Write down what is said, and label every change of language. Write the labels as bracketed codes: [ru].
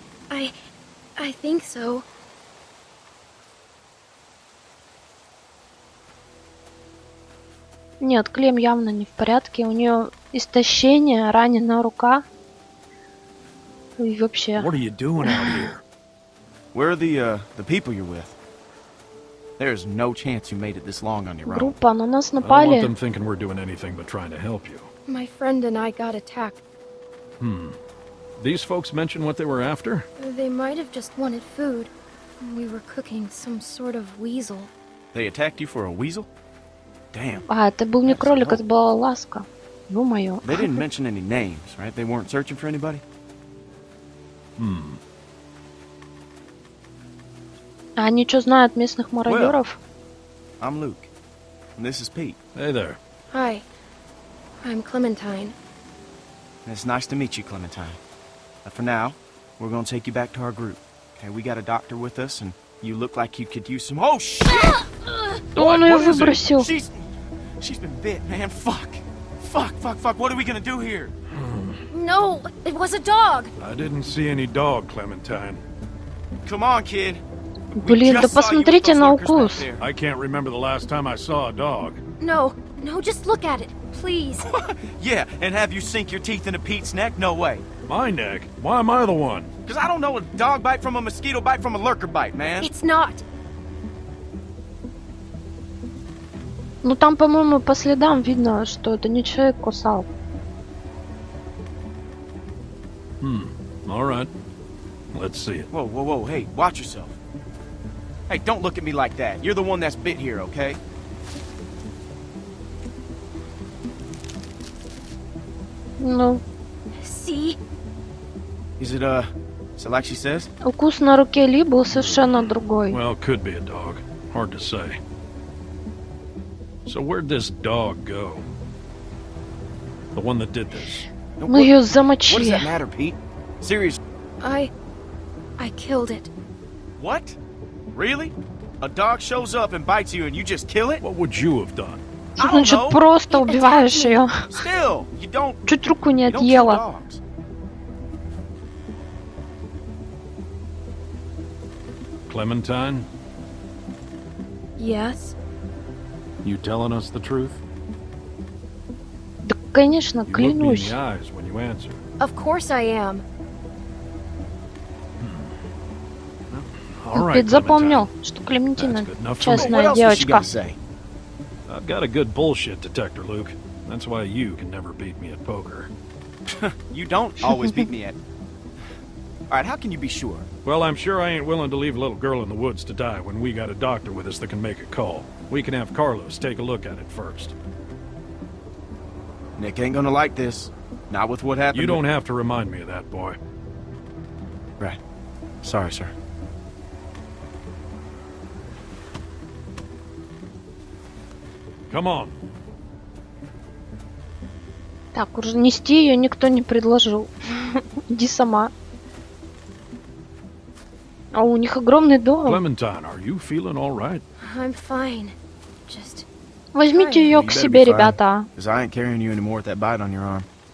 [en] I think so. [ru] Нет, Клем явно не в порядке. У нее истощение, ранена рука. И вообще... [en] What are you doing out here? Where are the people you're with? There's no chance you made it this long on your own. [ru] Группа, на нас напали. [en] I don't want them thinking we're doing anything but trying to help you. My friend and I got attacked. These folks mentioned what they were after? They might have just wanted food. We were cooking some sort of weasel. They attacked you for a weasel? Damn. [ru] А, это был не кролик, это была ласка. Ё-моё. [en] They didn't mention any names, right? They weren't searching for anybody? [ru] А они что знают местных мародеров? [en] Well, I'm Luke. And this is Pete. Hey there. Hi. I'm Clementine. It's nice to meet you, Clementine. But for now, we're gonna take you back to our group. Okay, we got a doctor with us, and you look like you could use some... Oh, shit! [ru] Он ее выбросил. [en] She's been bit, man. Fuck. Fuck, fuck, fuck. What are we gonna do here? No, it was a dog. I didn't see any dog, Clementine. Come on, kid. [ru] Блин, да посмотрите на укус. [en] I can't remember the last time I saw a dog. No, no, just look at it, please. Yeah, and have you sink your teeth into Pete's neck? No way. My neck? Why am I the one? Because I don't know a dog bite from a mosquito bite from a lurker bite, man. It's not. [ru] Ну там, по-моему, по следам видно, что это не человек кусал. [en] All right. Let's see it. Whoa, whoa, whoa, hey, watch yourself. Hey, don't look at me like that. You're the one that's bit here, okay? No. See? Is it like she says? [ru] Укус на руке Ли был совершенно другой. [en] Well, could be a dog. Hard to say. So where'd this dog go? The one that did this. [ru] Мы ее замочили. [en] What does that matter, Pete? Serious? I killed it. What? Really? A dog shows up and bites you and you just kill it? What would you have done? [ru] Что значит просто убиваешь ее? [en] Still, you don't... [ru] Чуть руку не отъела. [en] Clementine? Yes? You telling us the truth? [ru] Да, конечно, клянусь. [en] You look me in the eyes when you answer. Of course I am. [ru] Пит запомнил, что Клементина честная девочка. [en] I've got a good bullshit detector, Luke. That's why you can never beat me at poker. You don't always beat me at... All right, how can you be sure? Well, I'm sure I ain't willing to leave a little girl in the woods to die when we got a doctor with us that can make a call. We can have Carlos take a look at it first. Nick ain't gonna like this. Not with what happened. You don't have to remind me of that, boy. Right. Sorry, sir. Come on. [ru] Так, уже нести ее никто не предложил. Иди сама. А у них огромный дом. [en] Clementine, are you feeling all right? I'm fine. Just... [ru] Возьмите ее к себе, ребята. [en] Because I ain't carrying you anymore with that bite on your arm.